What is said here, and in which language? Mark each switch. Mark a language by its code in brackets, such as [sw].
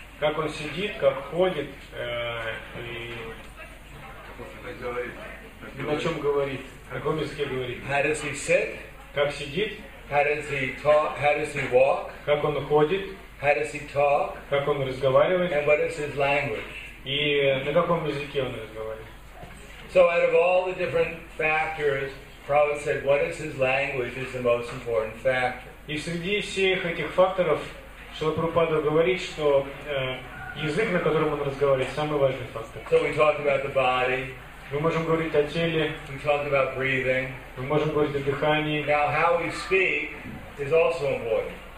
[ru] Как он сидит, как ходит, и о чем говорит, о каком языке говорит. [en] How does he sit? [ru] Как сидит? [en] How does he talk? How does he walk? [ru] Как он ходит? [en] How does he talk? [ru] Как он разговаривает? [en] And what is his language? [ru] И на каком языке он разговаривает. [en] So out of all the different factors, Prabhupada said, what is his language is the most important factor. [ru] И среди всех этих факторов Шрила Прабхупада говорит, что язык, на котором он разговаривает, самый важный фактор. [en] So we talk about the body. [ru] Мы можем говорить о теле. [en] We talk about breathing. [ru] Мы можем говорить о дыхании. [en] Now how we speak is also important.